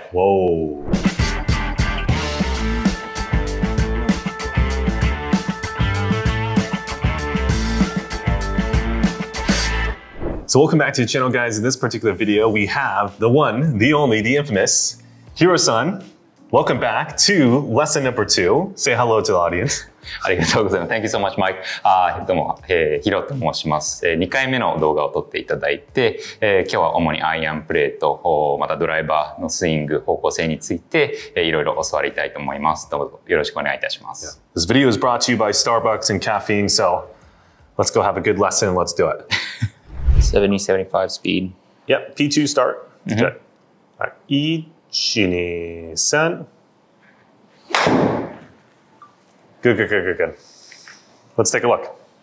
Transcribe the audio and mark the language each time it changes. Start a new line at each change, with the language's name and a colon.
English: Whoa. So welcome back to the channel, guys. In this particular video, we have the one, the only, the infamous Hiro-san. Welcome back to lesson number two. Say hello to the audience.
Japanese: ありがとうございます。
English: Thank you so much, Mike.
Japanese: どうも、ヒロと申します。2回目の動画を撮っていただいて、今日は主にアイアンプレート、またドライバーのスイング方向性について、いろいろ教わりたいと思います。どうぞよろしくお願いいたします。
English: Yeah. This video is brought to you by Starbucks and caffeine, so let's go have a good lesson. Let's do it. 70, 75 speed. Yep, P2 start. Mm-hmm. Good. All right. 1, 2, 3. Good, good, good, good, good. Let's take a look.